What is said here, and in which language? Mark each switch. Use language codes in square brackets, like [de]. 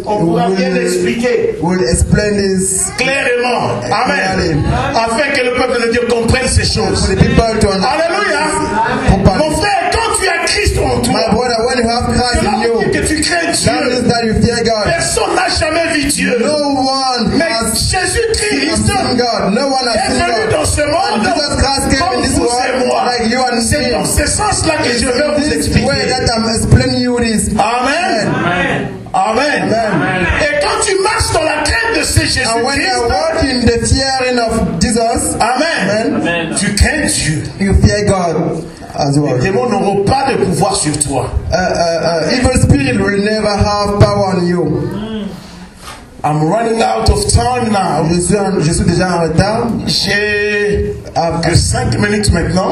[fr] On pourra bien l'expliquer. [en] Will explain this [fr] clairement. Amen. Amen. Afin que le peuple de Dieu comprenne ces choses. [en] For the people to understand. Alléluia. Amen. [fr] Mon frère, quand tu as Christ en toi. [en] My brother, when you have Christ in you. [fr] Que tu crains Dieu. [en] That means that you fear God. [fr] Personne n'a jamais vu Dieu. [en] No one. [fr] Mais Jésus Christ. [en] God. No one has seen God. [fr] Dans ce monde. [en] And Jesus Christ came in this world. Like you and [fr] c'est dans ce sens-là que je veux vous expliquer. [en] Way that I'm explaining you this. Amen. Amen. Amen. Amen. [fr] Et quand tu marches dans la crainte de ce Jésus, [en] and when you walk in the fearing of Jesus, amen. Amen. [fr] Tu crains Dieu. [en] You fear God as well. [fr] Les démons n'auront pas de pouvoir sur toi. [en] Evil spirit will never have power on you. I'm running out of time now. [fr] Je suis déjà en retard. J'ai que 5 minutes maintenant.